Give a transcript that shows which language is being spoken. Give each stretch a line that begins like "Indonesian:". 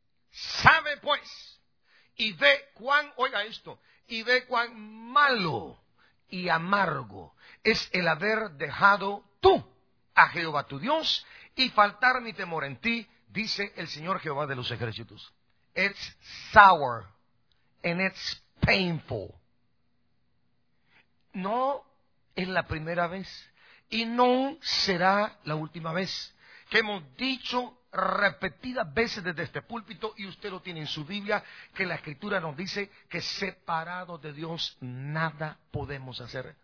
Spanish: Sabe pues y ve cuán, oiga esto, y ve cuán malo y amargo es el haber dejado tú a Jehová tu Dios y faltar mi temor en ti, dice el Señor Jehová de los ejércitos.
English: It's sour and it's painful.
Spanish: No es la primera vez y no será la última vez que hemos dicho repetidas veces desde este púlpito, y usted lo tiene en su Biblia, que la Escritura nos dice que separados de Dios nada podemos hacer.